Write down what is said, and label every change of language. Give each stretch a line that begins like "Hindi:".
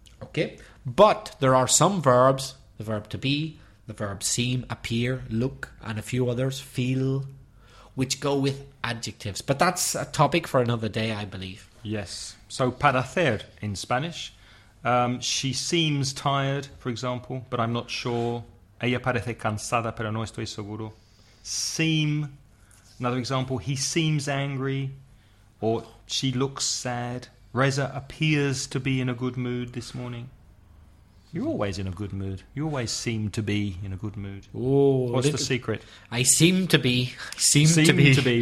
English: Okay, but there are some verbs, the verb to be, the verb seem, appear, look, and a few others, feel, which go with adjectives. But that's a topic for another day, I believe. Yes. So, parecer in Spanish. She seems tired, for example, but I'm not sure.
Spanish: Ella parece cansada, pero no estoy seguro.
English: Seem, another example, he seems angry, or she looks sad. Reza appears to be in a good mood this morning. You're always in a good mood. You always seem to be in a good mood. Oh, what's the secret? I seem to be. Seem to be,